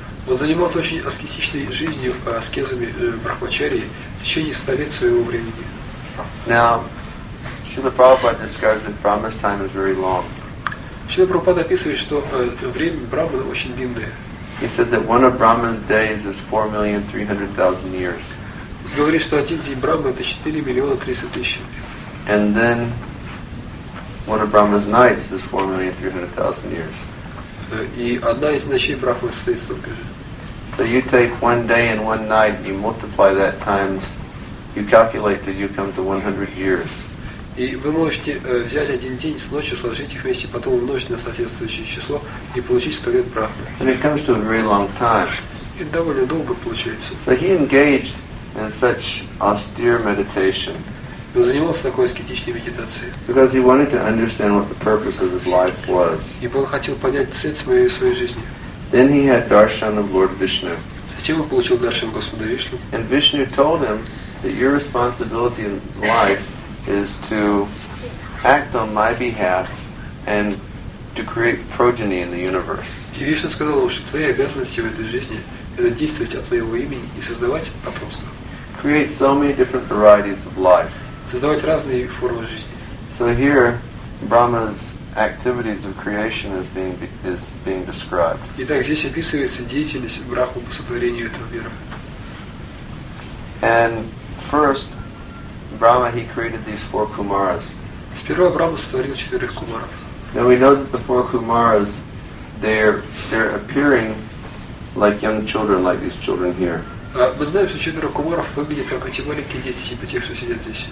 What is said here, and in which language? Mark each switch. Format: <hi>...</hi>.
<ru>Он занимался очень аскетичной жизнью, аскезами брахмачарии в течение 100 лет своего времени.</ru> <en>Now, Śrīla Prabhupāda describes that Brahma's time is very long.</en> <ru>Śrīla Prabhupāda описывает, что время Брахмы очень длинное.</ru> <en>He said that one of Brahma's days is 4,300,000 years.</en> <ru>Он говорит, что один день Брахмы это 4,300,000 лет.</ru> <en>And then one of Brahma's nights is 4,300,000 years.</en> <ru>И одна из ночей Брахмы состоит столько же.</ru> <en>So you take one day and one night, you multiply that times, you calculate that you come to 100 years.</en> <ru>И вы можете взять один день с ночью, сложить их вместе, потом умножить на соответствующее число и получить 100 лет Брахмы.</ru> <en>And it comes to a very long time.</en> <ru>И довольно долго получается.</ru> <en>So he engaged in such austere meditation.</en> <ru>Он занимался такой аскетичной медитацией.</ru> <en>Because he wanted to understand what the purpose of his life was.</en> <ru>Ибо он хотел понять цель своей жизни.</ru> <en>Then he had darshan of Lord Vishnu.</en> <ru>Затем он получил даршан Господа Вишну.</ru> <en>And Vishnu told him that your responsibility in life is to act on my behalf and to create progeny in the universe.</en> <ru>И Вишна сказал ему, что твои обязанности в этой жизни это действовать от твоего имени и создавать потомство.</ru> <en>Create so many different varieties of life.</en> <ru>Создавать разные формы жизни.</ru> <en>So here, Brahma's activities of creation is being described.</en> <ru>Итак, здесь описывается деятельность Брахмы по сотворению этого мира.</ru> <en>And first, Brahma, he created these four Kumaras.</en> <ru>Сперва Брахма створил четырех кумаров.</ru> <en>Now we know that the four Kumaras, they're appearing like young children, like these children here.</en> <ru>Мы знаем, что четверо кумаров выглядят как эти маленькие дети, типа тех, что сидят здесь.</ru>